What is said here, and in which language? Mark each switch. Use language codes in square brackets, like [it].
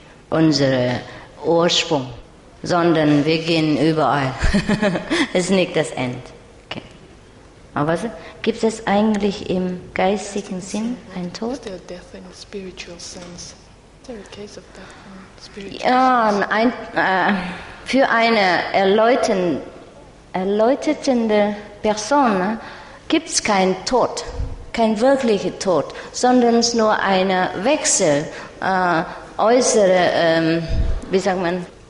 [de] Unser Ursprung, sondern wir gehen überall. Es ist nicht das Ende. Okay. Aber was, gibt es eigentlich im geistigen Sinn einen Tod? [en] Is there death in the spiritual sense? Is there a case of death in the spiritual sense? [de] Ja, für eine erläuternde Person gibt es keinen Tod, keinen wirklichen Tod, sondern nur einen Wechsel. Äußere, wie sagt man?